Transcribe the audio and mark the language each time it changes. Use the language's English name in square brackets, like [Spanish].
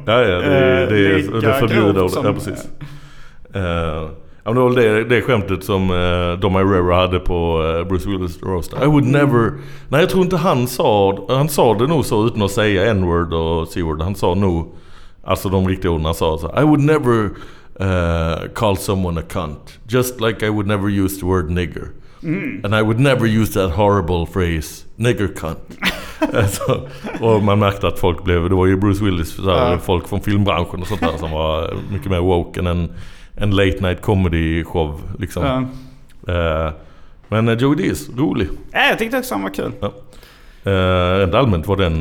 [Swedish] Ja, ja, det är förbjudet. Ja, precis. Ja, men det var väl det skämtet som Dom Irera hade på Bruce Willis roast. [English] I would never... [Swedish] Nej, jag tror inte han sa... Han sa det nog så utan att säga N-word och C-word. Han sa nog... Alltså de riktiga orden han sa. [English] Så, I would never call someone a cunt. Just like I would never use the word nigger. Mm. And I would never use that horrible phrase. Nigger cunt. [Swedish] Alltså, och man märkte att folk blev... Det var ju Bruce Willis. Så, folk från filmbranschen och sånt där som var mycket mer woke än en late night comedy show liksom. Ja. Men Joey Diaz, rolig. Ja, jag tyckte också han var kul. Ja. Rent allmänt var den...